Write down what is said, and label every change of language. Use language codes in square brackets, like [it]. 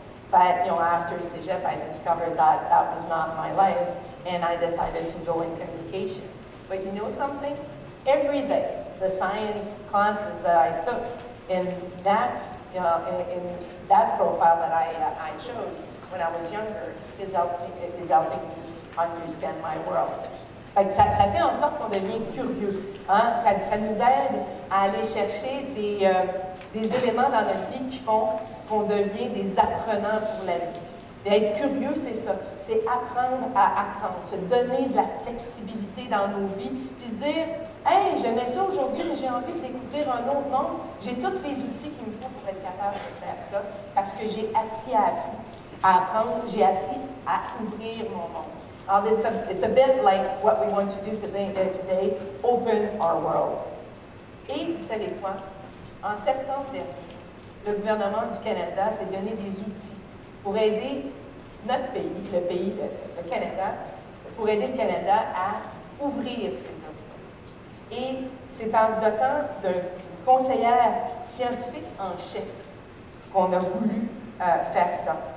[en] But after Cégep, I discovered that that was not my life, and I decided to go in communication. But you know something? Every day, the science classes that I took in that in that profile that I chose when I was younger is helping me understand my world. [fr] Ça fait en sorte qu'on devient curieux. Hein? Ça nous aide à aller chercher des éléments dans notre vie qui font qu'on devient des apprenants pour la vie. Et être curieux, c'est ça. C'est apprendre à apprendre, se donner de la flexibilité dans nos vies, puis dire, hey, j'aimais ça aujourd'hui, mais j'ai envie de découvrir un autre monde. J'ai tous les outils qu'il me faut pour être capable de faire ça, parce que j'ai appris à apprendre, j'ai appris à ouvrir mon monde. [en] It's a bit like what we want to do today, open our world. [fr] Et vous savez quoi? En septembre dernier, le gouvernement du Canada s'est donné des outils pour aider notre pays, le pays, le Canada, pour aider le Canada à ouvrir ses horizons. Et c'est en se dotant d'un conseillère scientifique en chef qu'on a voulu faire ça.